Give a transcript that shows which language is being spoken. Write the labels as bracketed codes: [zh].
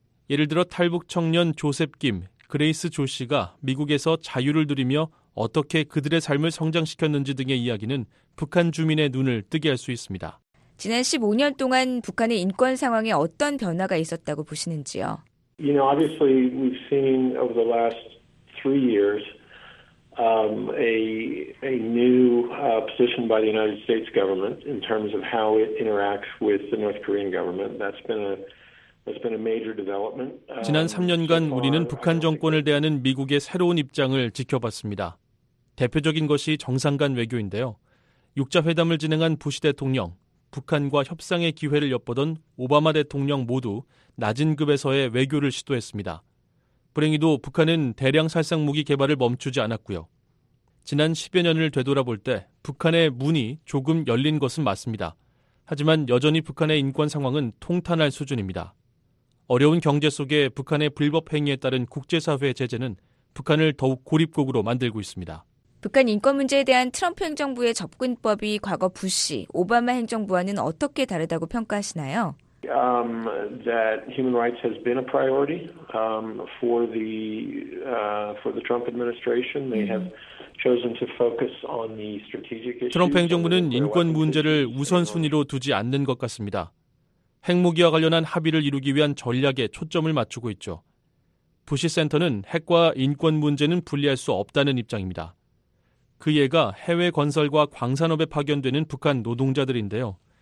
[ko] 예를 들어 탈북 청년 조셉 김, 그레이스 조 씨가 미국에서 자유를 누리며 어떻게 그들의 삶을 성장시켰는지 등의 이야기는 북한 주민의 눈을 뜨게 할 수 있습니다. 지난 15년 동안 북한의 인권 상황에 어떤 변화가 있었다고 보시는지요? [en] You know, obviously we've seen over the last three years a new position by the United States government in terms of how it interacts with the North Korean government. That's been a major development. [ko] 지난 3년간 우리는 북한 정권을 대하는 미국의 새로운 입장을 지켜봤습니다. 대표적인 것이 정상 간 외교인데요. 6자 회담을 진행한 부시 대통령, 북한과 협상의 기회를 엿보던 오바마 대통령 모두 낮은 급에서의 외교를 시도했습니다. 불행히도 북한은 대량 살상 무기 개발을 멈추지 않았고요. 지난 10여 년을 되돌아볼 때 북한의 문이 조금 열린 것은 맞습니다. 하지만 여전히 북한의 인권 상황은 통탄할 수준입니다. 어려운 경제 속에 북한의 불법 행위에 따른 국제사회의 제재는 북한을 더욱 고립국으로 만들고 있습니다. 북한 인권 문제에 대한 트럼프 행정부의 접근법이 과거 부시, 오바마 행정부와는 어떻게 다르다고 평가하시나요? [en] That human rights has been a priority for the Trump administration. They have chosen to focus on the strategic issues. [ko] 트럼프 행정부는 인권 문제를 우선순위로 두지 않는 것 같습니다. 핵무기와 관련한 합의를 이루기 위한 전략에 초점을 맞추고 있죠. 부시 센터는 핵과 인권 문제는 분리할 수 없다는 입장입니다. 그 예가 해외 건설과 광산업에 파견되는 북한 노동자들인데요.